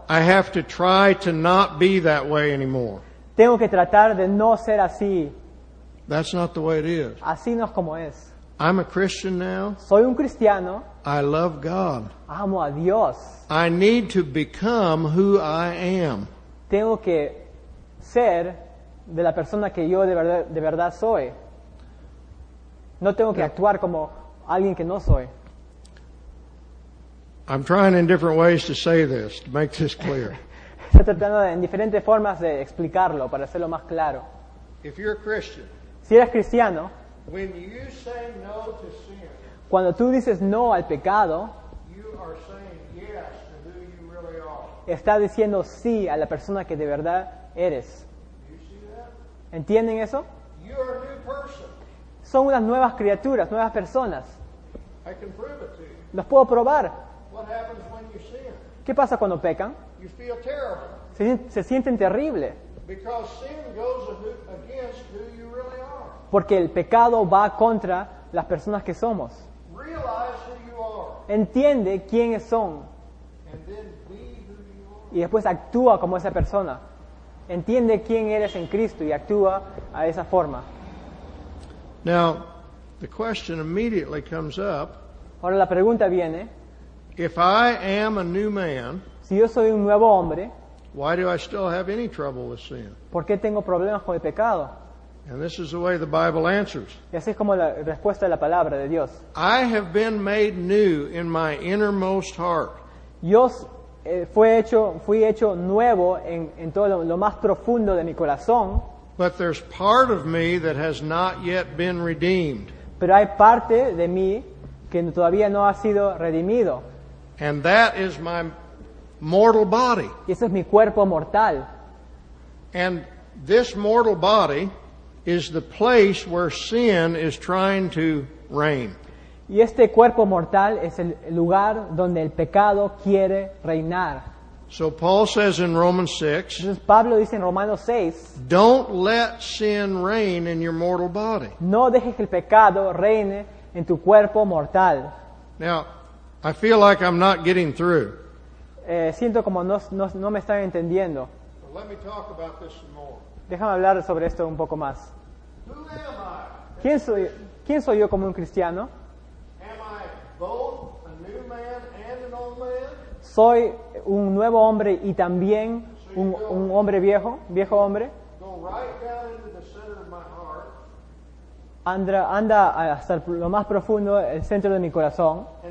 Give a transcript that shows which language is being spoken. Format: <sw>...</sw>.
<en>I have to try to not be that way anymore.</en> <es>Tengo que tratar de no ser así.</es> <en>That's not the way it is.</en> <es>Así no es como es.</es> <en>I'm a Christian now.</en> <es>Soy un cristiano.</es> <en>I love God.</en> <es>Amo a Dios.</es> <en>I need to become who I am.</en> <es>Tengo que ser de la persona que yo de verdad soy. No tengo que actuar como alguien que no soy.</es> <en>I'm trying in different ways to say this, to make this clear.</en> <es>Estoy tratando en diferentes formas de explicarlo para hacerlo más claro.</es> <en>If you're a Christian,</en> <es>si eres cristiano,</es> <en>when you say no to sin,</en> <es>cuando tú dices no al pecado,</es> <en>you are saying yes to who you really are.</en> <es>Estás diciendo sí a la persona que de verdad eres.</es> <en>You see that?</en> <es>¿Entienden eso?</es> <en>You are a new person.</en> <es>Son unas nuevas criaturas, nuevas personas.</es> <en>I can prove it to you.</en> <es>Los puedo probar.</es> <en>What happens when you sin?</en> <es>¿Qué pasa cuando pecan?</es> <en>You feel terrible.</en> <es>Se sienten terrible.</es> <en>Because sin goes against who you really are.</en> <es>Porque el pecado va contra las personas que somos.</es> <en>Realize who you are.</en> <es>Entiende quiénes son.</es> <en>And then be who you are.</en> <es>Y después actúa como esa persona. Entiende quién eres en Cristo y actúa a esa forma.</es> <en>Now, the question immediately comes up.</en> <es>Ahora la pregunta viene.</es> <en>If I am a new man,</en> <es>si yo soy un nuevo hombre,</es> <en>why do I still have any trouble with sin?</en> <es>¿Por qué tengo problemas con el pecado?</es> <en>And this is the way the Bible answers.</en> <es>Y así es como la respuesta de la palabra de Dios.</es> <en>I have been made new in my innermost heart.</en> <es>Yo fui hecho nuevo en todo lo más profundo de mi corazón.</es> <en>But there's part of me that has not yet been redeemed.</en> <es>Pero hay parte de mí que todavía no ha sido redimido.</es> <en>And that is my mortal body.</en> <es>Y ese es mi cuerpo mortal.</es> <en>And this mortal body is the place where sin is trying to reign.</en> <es>Y este cuerpo mortal es el lugar donde el pecado quiere reinar.</es> <en>So Paul says in Romans 6.</en> <es>Entonces Pablo dice en Romanos 6.</es> <en>Don't let sin reign in your mortal body.</en> <es>No dejes que el pecado reine en tu cuerpo mortal.</es> <en>Now, I feel like I'm not getting through.</en> <es>Siento como no me están entendiendo.</es> <en>Well, let me talk about this some more.</en> <es>Déjame hablar sobre esto un poco más.</es> <en>Who am I?</en> <es>¿Quién soy yo como un cristiano?</es> <en>Am I both a new man and an old man?</en> <es>¿Soy un nuevo hombre y también un hombre viejo, viejo hombre?</es> <en>Go right down into the center of my heart.</en> <es>Anda hasta lo más profundo, el centro de mi corazón.</es>